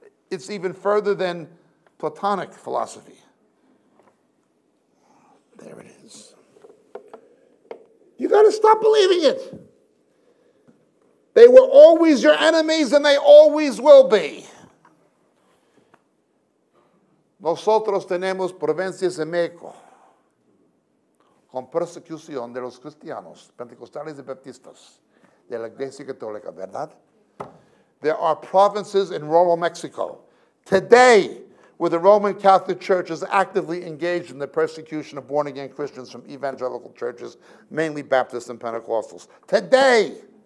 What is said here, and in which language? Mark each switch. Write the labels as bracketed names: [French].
[English] It's even further than Platonic philosophy. There it is. You got to stop believing it. They were always your enemies and they always will be. [Spanish] Nosotros tenemos provincias en México con persecución de los cristianos, pentecostales y baptistas, de la iglesia católica, ¿verdad? [English] There are provinces in rural Mexico today where the Roman Catholic Church is actively engaged in the persecution of born-again Christians from evangelical churches, mainly Baptists and Pentecostals. Today!